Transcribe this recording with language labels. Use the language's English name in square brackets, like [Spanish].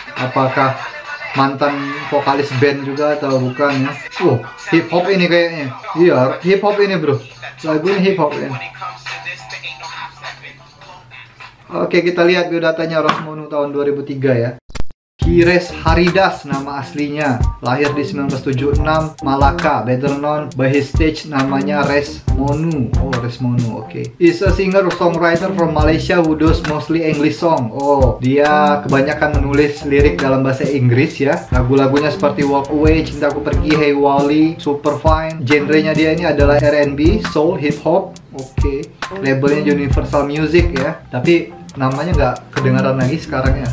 [Indonesian] Apakah mantan vokalis band juga atau bukan ya. Hip hop ini kayaknya. Iya, hip hop ini bro. Lagu ini hip hop ya. Oke, kita lihat biodatanya Rosmono tahun 2003 ya. Kires Haridas nama aslinya. Lahir di 1976 Malaka, [English] better known by his stage [Indonesian] namanya Resmonu. Oh, Resmonu. Oke. Okay. [English] Is a singer songwriter from Malaysia who does mostly English song. [Indonesian] Oh, dia kebanyakan menulis lirik dalam bahasa Inggris ya. Lagu-lagunya seperti Walk Away, Cintaku Pergi, Hey Wally, Super Fine. Genrenya dia ini adalah R&B, soul, hip hop. Oke. Okay. Labelnya Universal Music ya. Tapi namanya nggak kedengaran lagi sekarang ya.